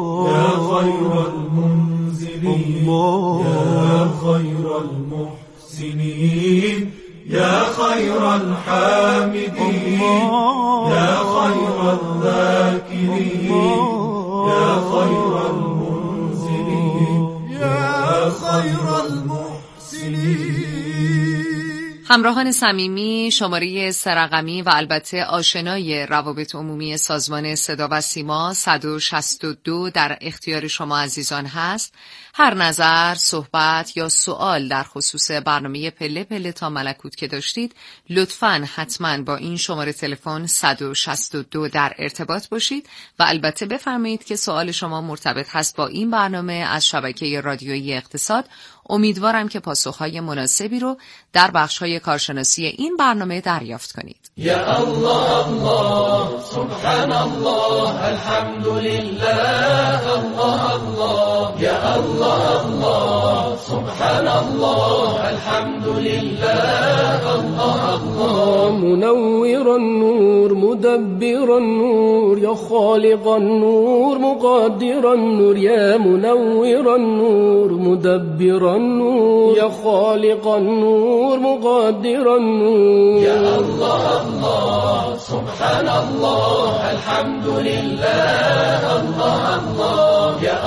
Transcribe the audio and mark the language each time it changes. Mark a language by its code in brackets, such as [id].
[ar] يا خير المنزلين، يا خير المحسنين، يا خير الحامدين، يا خير الذاكرين، يا خير المنزلين، يا خير المحسنين. [fa] همراهان صمیمی، شماره سرقمی و البته آشنای روابط عمومی سازمان صدا و سیما 162 در اختیار شما عزیزان هست. هر نظر، صحبت یا سوال در خصوص برنامه پله پله تا ملکوت که داشتید، لطفاً حتماً با این شماره تلفن 162 در ارتباط باشید و البته بفرمایید که سوال شما مرتبط هست با این برنامه از شبکه رادیویی اقتصاد. امیدوارم که پاسخهای مناسبی رو در بخش‌های کارشناسی این برنامه دریافت کنید. [ar] یا الله الله سبحان الله الحمد لله، الله الله یا الله الله سبحان الله الحمد لله، الله الله منور النور مدبر النور، يا خالق النور مقدر النور، يا منور النور مدبر النور، يا خالق النور مقدر النور، يا الله الله سبحان الله الحمد لله، الله الله يا